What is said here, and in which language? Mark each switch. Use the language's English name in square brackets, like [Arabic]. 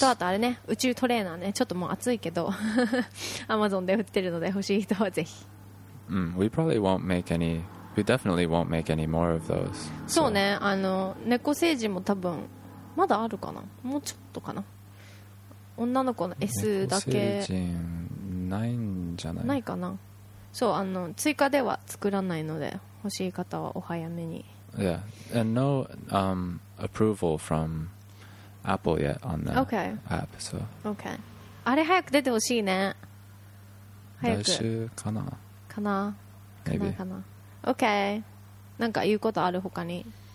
[Japanese] とあとあれね、宇宙トレーナーね、ちょっともう暑いけど Amazon で売ってるので欲しい人はぜひ。 [English] We probably won't make any. We definitely won't make any more of those. [Japanese] そうね、あの猫星人も多分まだあるかな、もうちょっとかな。女の子の S だけ。猫星人ないんじゃない。ないかな。そう、あの、追加では作らないので、欲しい方はお早めに。 [English] Yeah, and no, approval from Apple yet on the app. So. Okay. [Japanese] あれ早く出てほしいね。早く。来週かな。かな。 [English] Maybe. [Japanese] かな。Okay. なんか言うことある他に。